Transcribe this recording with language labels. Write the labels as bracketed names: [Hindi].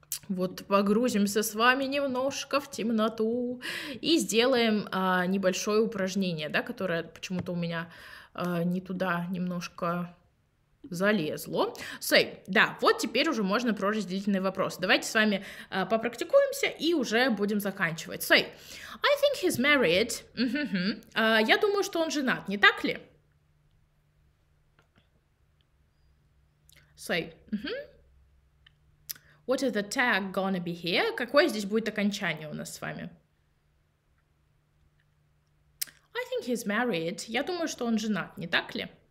[Russian] Вот погрузимся с вами немножко в темноту и сделаем небольшое упражнение, да, которое почему-то у меня не туда немножко залезло. Say, да, вот теперь уже можно про разделительный вопрос. Давайте с вами попрактикуемся и уже будем заканчивать. [English] Say, I think he's married. [Russian] Я думаю, что он женат, не так ли? [English] Say, What is the tag gonna be here? [Russian] Какое здесь будет окончание у нас с вами? [English] I think he's married. [Russian] Я думаю, что он женат, не так ли?